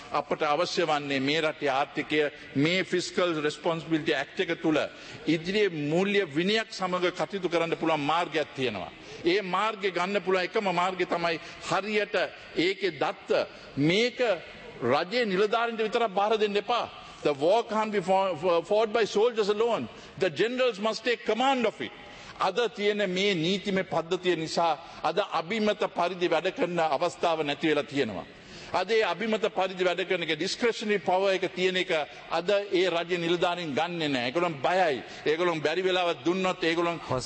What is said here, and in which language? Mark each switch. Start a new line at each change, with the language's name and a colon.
Sinhala: අපට අවශ්‍ය වන්නේ මේ රටේ ආර්ථිකය මේ ෆිස්කල් රෙස්පොන්සිබිලිටි ඇක්ට් එක තුල ඉදිරියේ මූල්‍ය විනයක් සමග කටයුතු කරන්න පුළුවන් මාර්ගයක් තියෙනවා. ඒ මාර්ගය ගන්න පුළුවන් එකම මාර්ගය තමයි හරියට ඒකේ දත්ත මේක රජයේ නිලධාරීන්ට විතරක් බාර දෙන්න එපා.
English: The war can't be fought by soldiers alone. The generals must take command of it.
Sinhala: අද තියෙන මේ නීතිමය පද්ධතිය නිසා අද අභිමත පරිදි වැඩ කරන අවස්ථාව නැති වෙලා තියෙනවා. අද ඒ අභිමත පරිදි වැඩ කරන එක
English: discretionary power
Sinhala: එක තියෙන එක අද ඒ රජයේ නිලධාරීන් ගන්නෙ නැහැ. ඒගොල්ලන් බයයි. ඒගොල්ලන් බැරි වෙලාවත් දුන්නොත් ඒගොල්ලන්